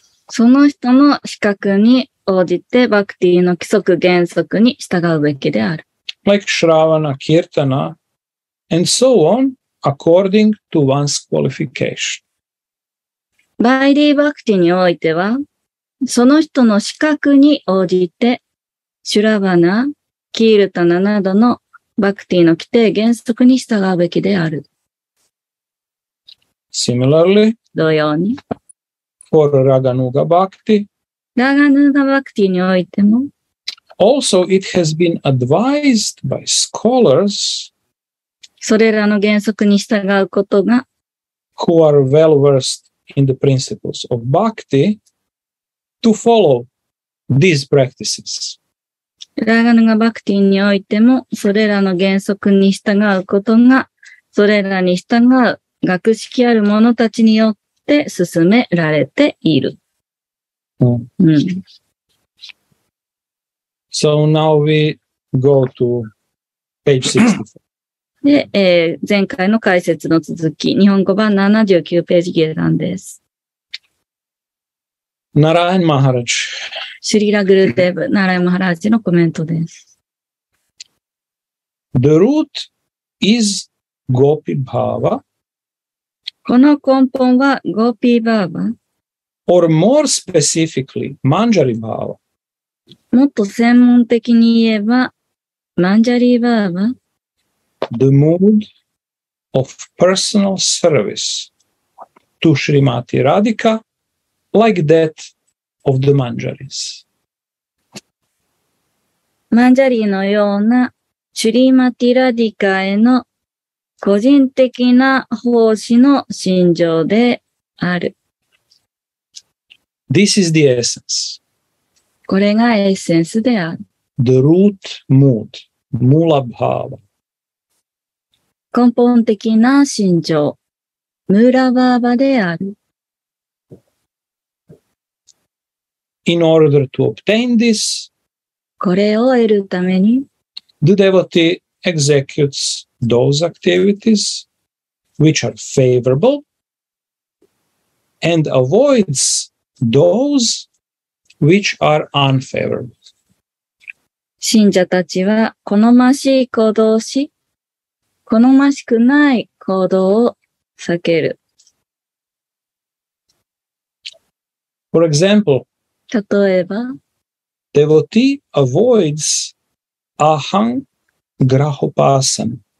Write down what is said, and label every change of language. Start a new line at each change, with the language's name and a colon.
Japanese: その人の資格に応じてバクティの規則原則に従うべきである。
English: Like Shravana, Kirtana, and so on, according to one's qualification.
Japanese: バイディバクティにおいては、その人の資格に応じて、シュラバナ、キルタナなどのバクティの規定原則に従うべきである。
English: Similarly,
Japanese: 同様に、
English: For Raganuga Bhakti.
Japanese: Raganuga Bhakti においても。
English: Also, it has been advised by scholars.
Japanese: それらの原則に従うことが。
English: Who are well versed in the principles of Bhakti to follow these practices.
Japanese: Raganuga Bhakti においても、それらの原則に従うことが、それらに従う学識ある者たちによって、で進められている。
English: So now we go to page 64.
Japanese: で、前回の解説の続き、日本語版79ページ下段です。ナラーン・マハラジ。シュリラ・グルデブ、ナラーン・マハラジのコメントです。
English: The root is Gopi Bhava.
Japanese: この根本はゴーピーバーバ
English: or more specifically, マンジャリバーバ
Japanese: もっと専門的に言えば、マンジャリバーバ
English: the mood of personal service to Shrimati Radhika, like that of the Manjaris.
Japanese: マンジャリのような、シュリマティ・ラディカへの個人的な奉仕の心情である。
English: This is the essence.
Japanese: これがエッセンスである。
English: The root mood, mula bhava.
Japanese: 根本的な心情、ムーラバーバである。
English: In order to obtain this,
Japanese: これを得るために、
English: the devotee executes those activities which are favorable and avoids those which are unfavorable.
Japanese: 信者たちは好ましい行動をし、好ましくない行動を避ける。
English: For example,
Japanese: 例えば、
English: devotee avoids ahang grahopasana.